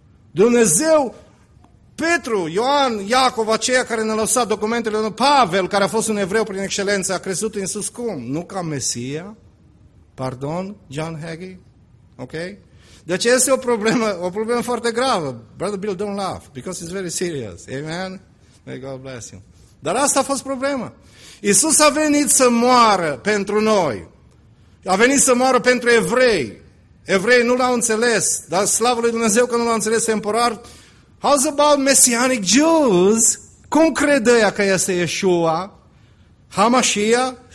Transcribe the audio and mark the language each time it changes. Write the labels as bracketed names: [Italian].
[Romanian] Dumnezeu, Petru, Ioan, Iacov, aceia care ne-a lăsat documentele, Pavel, care a fost un evreu prin excelență, a crezut în Iisus cum? Nu ca Mesia? Pardon, John Hagee? Ok? Deci este o problemă, o problemă foarte gravă. [English] Brother Bill, don't laugh, because it's very serious. Amen? May God bless you. [Romanian] Dar asta a fost problema. Iisus a venit să moară pentru noi. A venit să moară pentru evrei. Evrei nu l-au înțeles, dar slavă lui Dumnezeu că nu l-au înțeles temporar. [English] How about messianic Jews? [Romanian] Cum credea că este Yeshua? Hamashia?